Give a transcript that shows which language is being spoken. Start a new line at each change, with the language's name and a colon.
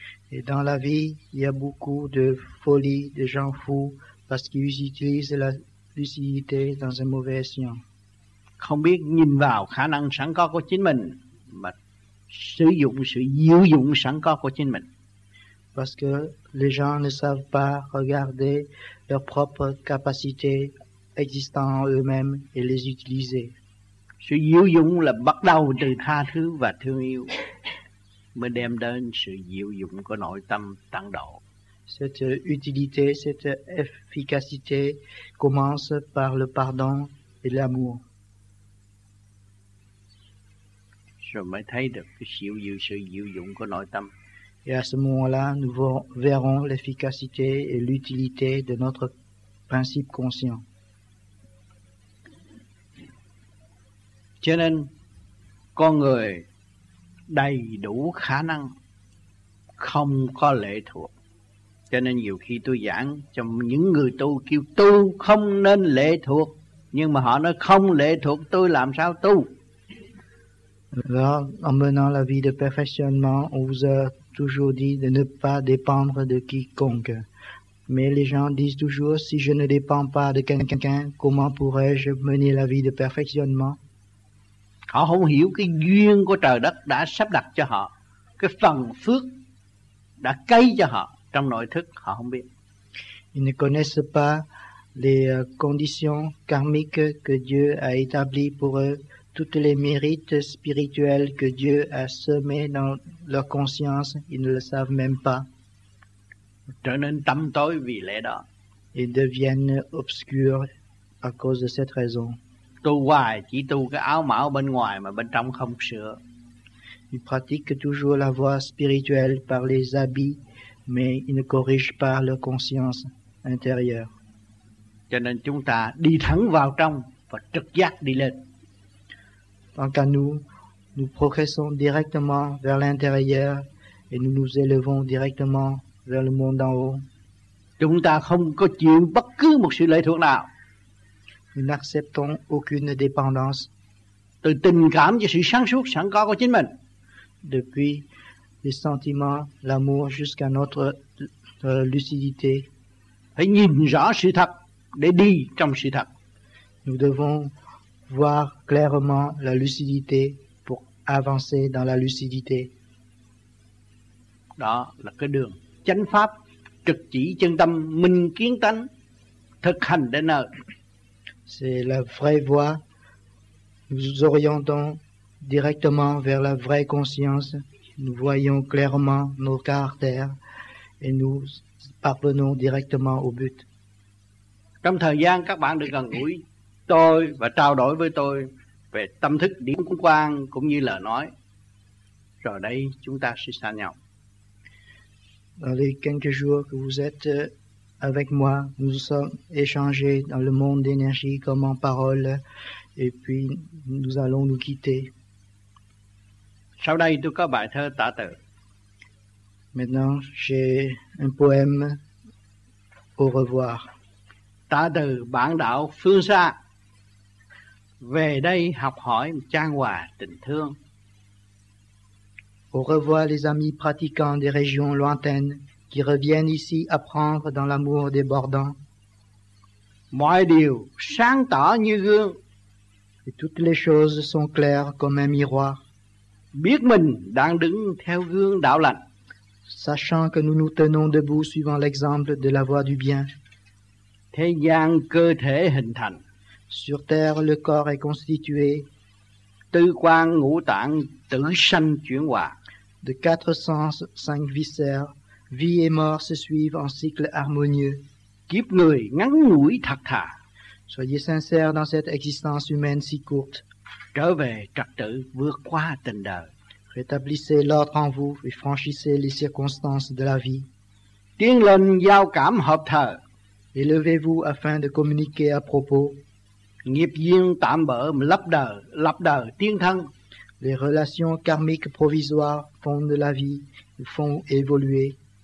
French: Et dans la vie, il y a beaucoup de folie, de gens fous, parce qu'ils utilisent la lucidité dans un mauvais sens.
Vietnamese: Không biết nhìn vào khả năng sẵn có của chính mình, mà sử dụng sự diệu dụng sẵn có của chính mình.
French: Parce que les gens ne savent pas regarder leurs propres capacités existant en eux-mêmes et les utiliser.
Vietnamese: Sự diệu dụng là bắt đầu từ tha thứ và thương yêu. Mới đem đến sự diệu dụng của nội tâm tăng độ.
French: Cette utilité, cette efficacité commence par le pardon et l'amour.
Vietnamese: Rồi mới thấy được cái siêu dư sự diệu dụng của nội tâm.
French: Et à ce moment-là, nous verrons l'efficacité et l'utilité de notre principe conscient.
Vietnamese: Cho nên, con người đầy đủ khả năng, không có lệ thuộc, Cho nên nhiều khi tôi giảng cho những người tu kêu tu không nên lệ thuộc, nhưng mà họ nói không lệ thuộc tôi làm sao tu.
French: Alors, en menant la vie de perfectionnement, on vous a toujours dit de ne pas dépendre de quiconque. Mais les gens disent toujours, si je ne dépends pas de quelqu'un, comment pourrais-je mener la vie de perfectionnement?
Vietnamese: Họ không hiểu cái duyên của trời đất đã sắp đặt cho họ, cái phần phước đã cấy cho họ trong nội thức, họ không biết.
French: Ils ne connaissent pas les conditions karmiques que Dieu a établies pour eux, toutes les mérites spirituels que Dieu a semés dans leur conscience, ils ne le savent même pas.
Vietnamese: Trở nên tâm tối vì lẽ đó.
French: Ils deviennent obscurs à cause de cette raison.
Vietnamese: Tu hoài chỉ tu cái áo mão bên ngoài mà bên trong không sửa.
French: Ils pratiquent toujours la voie spirituelle par les habits, mais ils ne corrigent pas leur conscience intérieure.
Vietnamese: Cho nên chúng ta đi thẳng vào trong và trực giác đi lên.
French: Tant qu'à nous, nous progressons directement vers l'intérieur et nous nous élevons directement vers le monde d'en haut.
Vietnamese: Chúng ta không có chịu bất cứ một sự lệ thuộc nào.
French: Nous n'acceptons aucune dépendance.
Vietnamese: Từ tình cảm cho sự sáng suốt sẵn có của chính mình.
French: Depuis les sentiments, l'amour jusqu'à notre lucidité.
Vietnamese: Phải nhìn rõ sự thật để đi trong sự thật.
French: Nous devons voir clairement la lucidité pour avancer dans la lucidité.
Vietnamese: Đó là cái đường chánh pháp, trực chỉ chân tâm, minh kiến tánh, thực hành đến nơi.
French: C'est la vraie voie. Nous orientons directement vers la vraie conscience. Nous voyons clairement nos caractères et nous parvenons directement au but.
Vietnamese: Trong thời gian các bạn được gần gũi tôi và trao đổi với tôi về tâm thức điểm quang cũng như lời nói, rồi đây chúng ta sẽ xa nhau.
French: Dans les quelques jours que vous êtes avec moi, nous sommes échangés dans le monde d'énergie comme en parole, et puis nous allons nous quitter.
Vietnamese: Sau đây tôi có bài thơ tả tự.
French: Maintenant j'ai un poème. Au revoir.
Vietnamese: Tả từ bản đạo phương xa, về đây học hỏi trang hòa tình thương.
French: Au revoir les amis pratiquants des régions lointaines qui reviennent ici apprendre dans l'amour débordant.
Vietnamese: Mọi điều sáng tỏ như gương.
French: Et toutes les choses sont claires comme un miroir.
Vietnamese: Biết mình đang đứng theo gương đạo lành.
French: Sachant que nous nous tenons debout suivant l'exemple de la voie du bien.
Vietnamese: Thế gian cơ thể hình thành.
French: Sur terre, le corps est constitué.
Vietnamese: Tư quan ngũ tạng tử sanh chuyển hòa.
French: De quatre sens, cinq viscères, vie et mort se suivent en cycle harmonieux.
Vietnamese: Kiếp người ngắn ngủi thật thà.
French: Soyez sincères dans cette existence humaine si courte.
Vietnamese: Trở về trật tự vượt qua tình đời.
French: Rétablissez l'ordre en vous et franchissez les circonstances de la vie.
Vietnamese: Tiến lên giao cảm hợp thờ.
French: Élevez-vous afin de communiquer à propos.
Vietnamese: Nghiệp duyên tạm bỡ lập đờ tiến thân.
French: Les relations karmiques provisoires font de la vie, font évoluer.